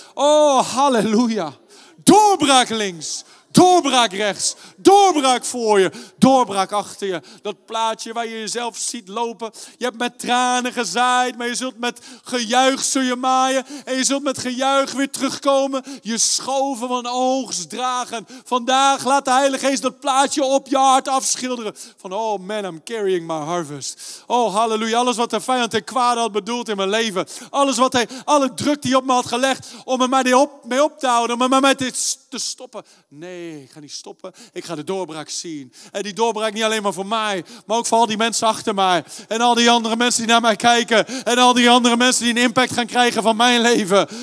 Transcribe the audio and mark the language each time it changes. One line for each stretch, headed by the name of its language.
Dutch: Oh, halleluja. Doorbraak links, doorbraak rechts, doorbraak voor je, doorbraak achter je. Dat plaatje waar je jezelf ziet lopen. Je hebt met tranen gezaaid, maar je zult met gejuich zul je maaien. En je zult met gejuich weer terugkomen. Je schoven van oogst dragen. Vandaag laat de Heilige Geest dat plaatje op je hart afschilderen.
English: Van, oh man, I'm carrying my harvest.
Dutch: Oh, halleluja. Alles wat de vijand ten kwade had bedoeld in mijn leven. Alles wat hij, alle druk die hij op me had gelegd om er maar mee op te houden. Om er maar met dit te stoppen. Nee, ik ga niet stoppen. Ik ga de doorbraak zien. En die doorbraak niet alleen maar voor mij, maar ook voor al die mensen achter mij. En al die andere mensen die naar mij kijken. En al die andere mensen die een impact gaan krijgen van mijn leven.